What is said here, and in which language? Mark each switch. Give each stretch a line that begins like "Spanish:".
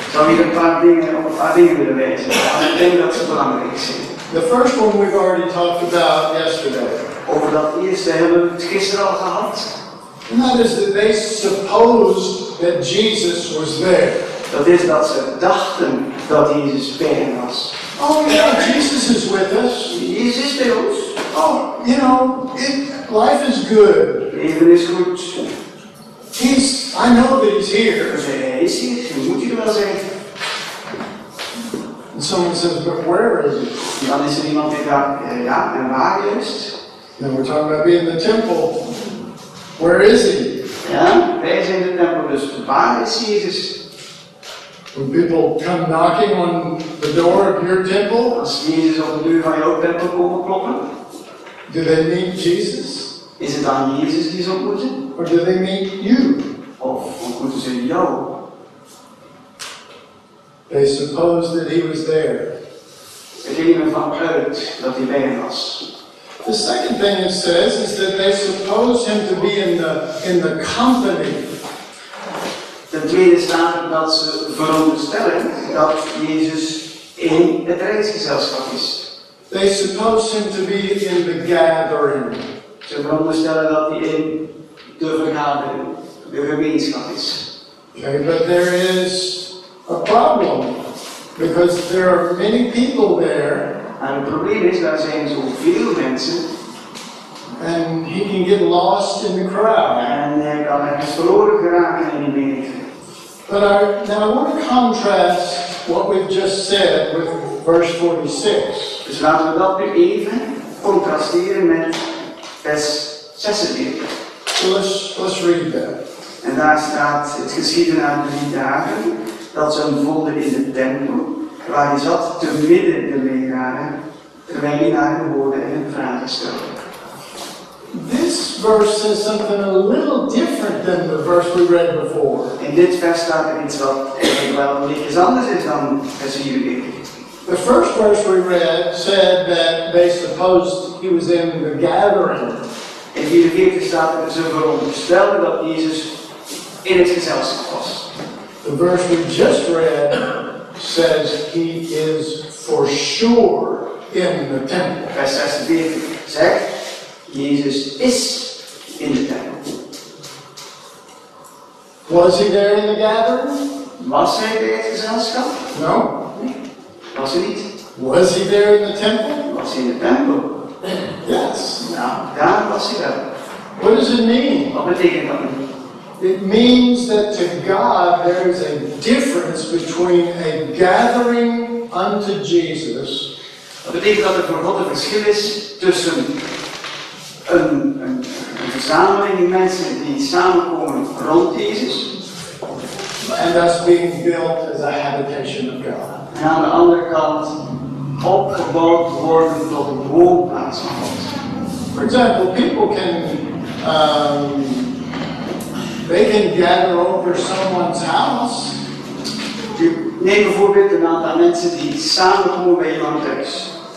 Dutch: Zou hier een paar dingen willen wijzen? Ik denk dat ze belangrijk zijn.
English: The first one we've already talked about yesterday.
Dutch: Over dat eerste hebben we het gisteren al gehad.
English: And that is that they supposed that Jesus was there.
Dutch: Dat is dat ze dachten dat Jezus bij hen was.
English: Oh yeah, Jesus is with us.
Dutch: Jezus is bij ons.
English: Oh, you know, life is good.
Dutch: Leven is goed.
English: He's, I know that he's here.
Dutch: Hij is hier, je moet hier wel zijn.
English: And someone says, but where is he?
Dutch: Dan is er iemand die vraagt, ja, en waar is het?
English: Then we're talking about being in the temple. Where is he?
Dutch: Ja, wij zijn in de tempel, dus waar is Jezus?
English: When people come knocking on the door of your temple,
Dutch: als Jezus op de deur van jouw tempel komen kloppen,
English: do they meet Jesus?
Dutch: Is het aan Jezus die ze ontmoeten?
English: Or do they meet you?
Dutch: Of ontmoeten ze jou?
English: They suppose that he was there.
Dutch: Ze gingen ervan uit dat hij bij hen was.
English: The second thing it says is that they suppose him to be in the company.
Dutch: De tweede staat dat ze veronderstellen dat Jezus in het reisgezelschap is.
English: They suppose him to be in the gathering.
Dutch: Ze veronderstellen dat hij in de vergadering, de gemeenschap is.
English: Okay, but there is a problem because there are many people there.
Dutch: En het probleem is, daar zijn zoveel mensen.
English: And he can get lost in the crowd.
Dutch: En hij kan ergens verloren geraken in die menigte.
English: But now I want to contrast what we've just said with verse 46.
Dutch: Dus laten we dat nu even contrasteren met vers 46.
English: So let's read that.
Dutch: En daar staat, het geschiedde na 3 dagen, dat ze hem vonden in de tempel. Waar hij zat te midden de leraren, terwijl hij naar hem hoorde en hem vragen stelde.
English: This verse says something a little different than the verse we read before.
Dutch: In dit vers staat er iets wat wel iets anders is dan vers 44.
English: The first verse we read said that they supposed he was in the gathering.
Dutch: In 44 staat er ze veronderstelden dat Jezus in het gezelschap was.
English: The verse we just read says he is for sure in the temple.
Dutch: Vers 46 zegt, Jezus is
English: in the temple. Was he there in the gathering?
Dutch: Was hij bij het gezelschap?
English: No.
Dutch: Was he niet?
English: Was he there in the temple? Was he in the temple? Yes.
Dutch: Nou, daar was hij wel.
English: What does it mean?
Dutch: Wat betekent dat?
English: It means that to God there is a difference between a gathering unto Jesus.
Dutch: Dat betekent dat er voor God een verschil is tussen een verzameling van mensen die samenkomen rond Jezus.
English: And us being built as a habitation of God.
Dutch: En aan de andere kant opgebouwd worden tot een woonplaats van God.
English: For example, people can They can gather over someone's house.
Dutch: Je neemt bijvoorbeeld een aantal mensen die samen komen bij iemand thuis.